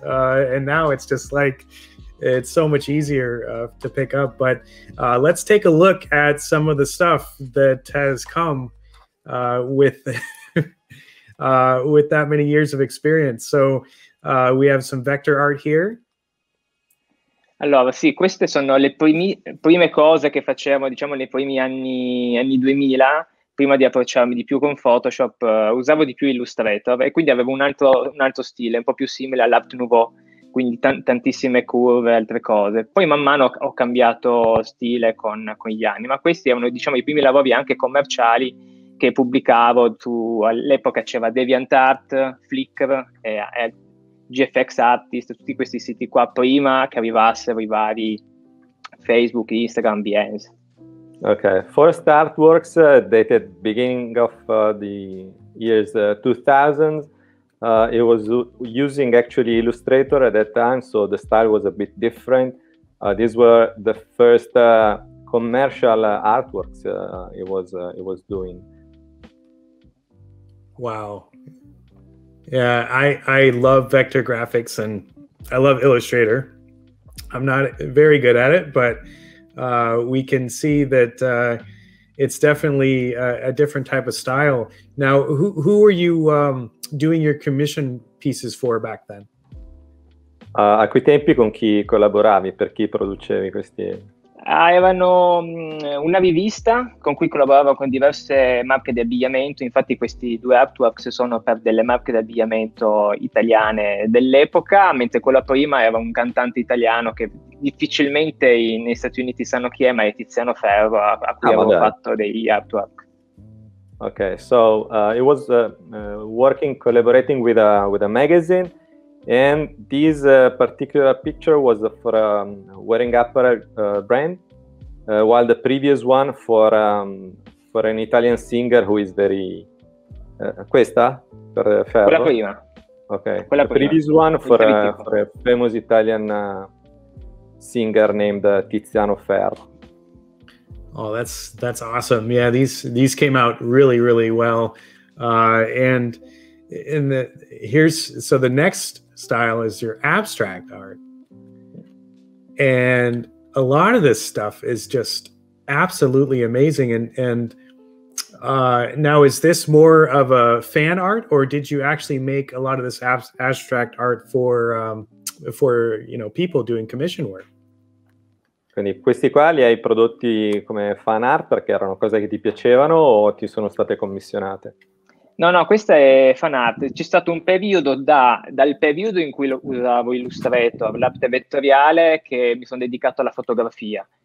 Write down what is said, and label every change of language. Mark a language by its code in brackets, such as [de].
[en] And now it's just like, it's so much easier to pick up. But let's take a look at some of the stuff that has come with with that many years of experience. So we have some vector art here. [it] Allora, sì, queste sono le prime cose che facevo, diciamo, nei primi anni 2000, prima di approcciarmi di più con Photoshop, usavo di più Illustrator e quindi avevo un altro stile, un po' più simile all'Art Nouveau, quindi tantissime curve e altre cose. Poi man mano ho cambiato stile con gli anni, ma questi erano, diciamo, i primi lavori anche commerciali che pubblicavo. All'epoca c'era DeviantArt, Flickr e GFX Artist, tutti questi siti qua prima che arrivassero i vari Facebook, Instagram, Behance. [en] Okay, first artworks dated beginning of the years 2000. It was using actually Illustrator at that time, so the style was a bit different. These were the first commercial artworks it was doing. Wow. Yeah, I love vector graphics and I love Illustrator. I'm not very good at it, but we can see that it's definitely a different type of style. Now, who were you doing your commission pieces for back then? [it] A quei tempi con chi collaboravi, per chi producevi questi? Erano una rivista con cui collaboravo con diverse marche di abbigliamento, infatti questi due artworks sono per delle marche di abbigliamento italiane dell'epoca, mentre quella prima era un cantante italiano che difficilmente negli Stati Uniti sanno chi è, ma è Tiziano Ferro, a cui avevo fatto degli artwork. [en] Ok, so it was working, collaborating with a magazine, and this particular picture was for a wearing apparel brand, while the previous one for an Italian singer who is very [it] questa per Ferro. Quella prima. [en] Okay. [it] Quella [en] the [it] prima. [en] Previous one for a famous Italian singer named Tiziano Ferro. Oh, that's awesome. Yeah, these came out really really well, so the next style is your abstract art, and a lot of this stuff is just absolutely amazing. Now is this more of a fan art, or did you actually make a lot of this abstract art for people doing commission work? [it] Quindi questi qua li hai prodotti come fan art perché erano cose che ti piacevano o ti sono state commissionate? No, questa è fan art. C'è stato un periodo dal periodo in cui usavo Illustrator, l'arte vettoriale, che mi sono dedicato alla fotografia.